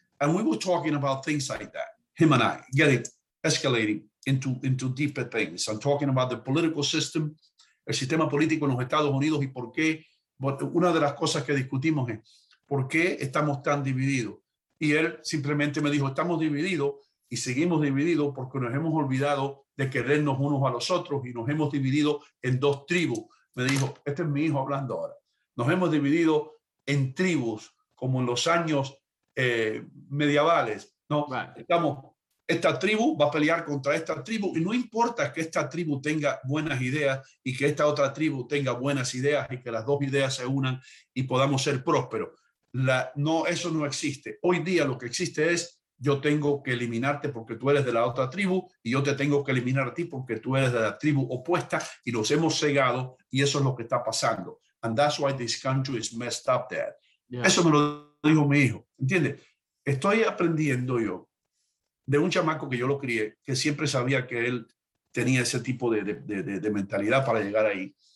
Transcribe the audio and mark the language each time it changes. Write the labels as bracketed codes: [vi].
[en] And we were talking about things like that, him and I, escalating into deeper things. I'm talking about the political system, [es] el sistema político en los Estados Unidos y por qué. Una de las cosas que discutimos es, ¿por qué estamos tan divididos? Y él simplemente me dijo, estamos divididos y seguimos divididos porque nos hemos olvidado de querernos unos a los otros y nos hemos dividido en dos tribus. Me dijo, este es mi hijo hablando ahora. Nos hemos dividido en tribus como en los años medievales. No, estamos, esta tribu va a pelear contra esta tribu y no importa que esta tribu tenga buenas ideas y que esta otra tribu tenga buenas ideas y que las dos ideas se unan y podamos ser prósperos. No, eso no existe. Hoy día lo que existe es, yo tengo que eliminarte porque tú eres de la otra tribu y yo te tengo que eliminar a ti porque tú eres de la tribu opuesta y los hemos cegado y eso es lo que está pasando. [en] And that's why this country is messed up there. [es] Yeah. Eso me lo dijo mi hijo, ¿entiendes? Estoy aprendiendo yo de un chamaco que yo lo crié, que siempre sabía que él tenía ese tipo de mentalidad para llegar ahí.